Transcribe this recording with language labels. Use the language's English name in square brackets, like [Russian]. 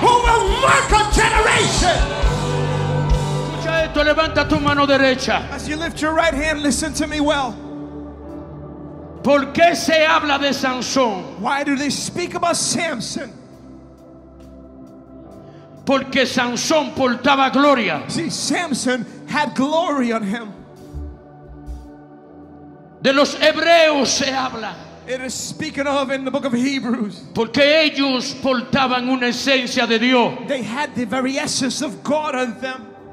[English] who will mark a generation. [Spanish] Levanta tu mano derecha. [English] As you lift your right hand, listen to me well. [Spanish] ¿Por qué se habla de Sansón? [English] Why do they speak about Samson? [Spanish] Porque Sansón portaba gloria. [English] See, Samson had glory on him. [Spanish] De los hebreos se habla. [English] It is speaking of in the book of Hebrews. [Spanish] Porque ellos portaban una esencia de Dios. [English] They had the very essence of God on them.